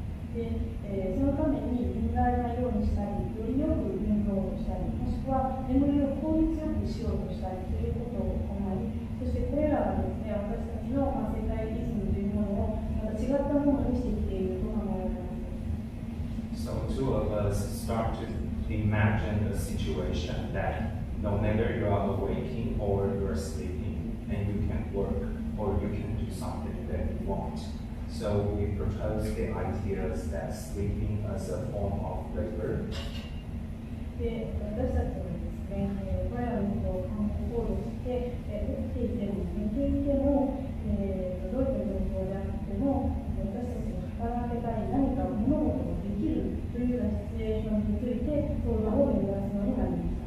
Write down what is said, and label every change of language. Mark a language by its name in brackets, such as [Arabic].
[Japanese] で、そのために眠らないようにしたり、よりよく運動をしたり、もしくは眠りを効率よくしようとしたりということを行い、そしてこれらはですね、私たちの世界リズムというものをまた違ったものにしてきていると考えられます。 [English] So two of us start to imagine a situation that no matter you are awaking or you are sleeping, and you can work or you can do something that you want. So we propose the idea that sleeping as a form of labor. [Japanese] で、私たちはですね、これらのことを考えることをして、起きていても、寝ていても、どういう状況であっても、私たちが働けたい何か物事ができるというようなシチュエーションについて、相談を目指すようになりました。